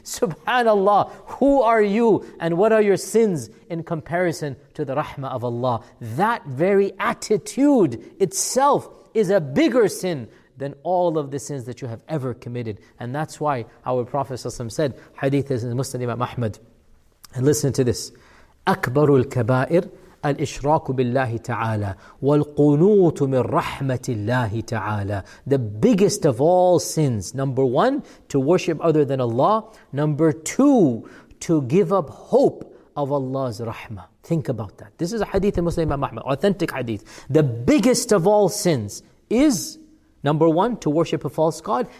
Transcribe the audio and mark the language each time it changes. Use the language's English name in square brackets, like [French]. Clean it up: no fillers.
[English] SubhanAllah, who are you and what are your sins in comparison to the rahmah of Allah? That very attitude itself is a bigger sin than all of the sins that you have ever committed. And that's why our Prophet ﷺ said, hadith is in Muslim Imam Ahmad. And listen to this. [Arabic] أكبر الكبائر الإشراك بالله تعالى والقنوت من رحمة الله تعالى. [English] The biggest of all sins. Number one, to worship other than Allah. Number two, to give up hope of Allah's rahmah. Think about that. This is a hadith in Muslim Imam Ahmad, authentic hadith. The biggest of all sins is, number one, to worship a false god.